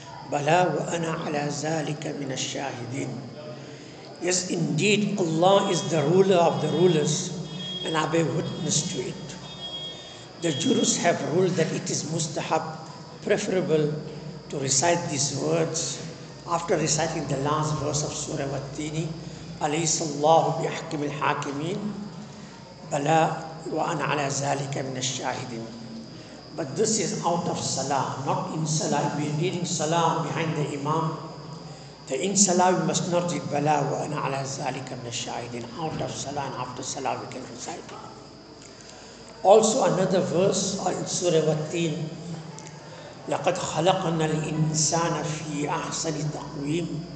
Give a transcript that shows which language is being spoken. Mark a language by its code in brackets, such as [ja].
[ar] Bala wa ana ala zalika min ash-shahideen. [en] Yes, indeed, Allah is the ruler of the rulers, and I bear witness to it. The jurists have ruled that it is mustahab, preferable, to recite these words after reciting the last verse of Surah Wattini, [ar] Alaysa Allahu bi ahkamil hakimin. Bala وَأَنَا عَلَى ذَلِكَ مِنَ الشَّاهِدِينَ. [en] But this is out of Salah, not in Salah. We are reading Salah behind the Imam. The in Salah we must not read [ar] بَلَا وَأَنَا عَلَى ذَلِكَ مِنَ الشَّاهِدِينَ. [en] Out of Salah and after Salah we can recite. Also another verse in Surah Wattin, [ar] لَقَدْ خَلَقَنَا الْإِنسَانَ فِي أَحْسَنِ تَقْوِيمٍ.